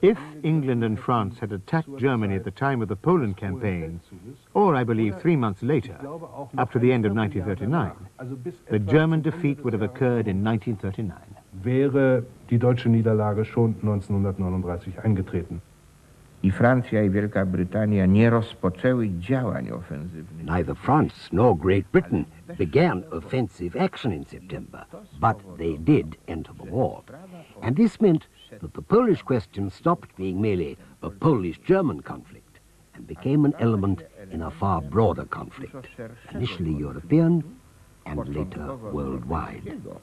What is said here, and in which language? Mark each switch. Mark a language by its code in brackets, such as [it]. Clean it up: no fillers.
[en] If England and France had attacked Germany at the time of the Poland campaign, or I believe 3 months later, up to the end of 1939, the German defeat would have occurred in 1939. [de] Wäre die deutsche Niederlage schon 1939 eingetreten. [pl] I Francja I Wielka Brytania nie rozpoczęły działań ofensywnych. [en] Neither France nor Great Britain began offensive action in September, but they did enter the war. And this meant that the Polish question stopped being merely a Polish-German conflict and became an element in a far broader conflict, initially European and later worldwide.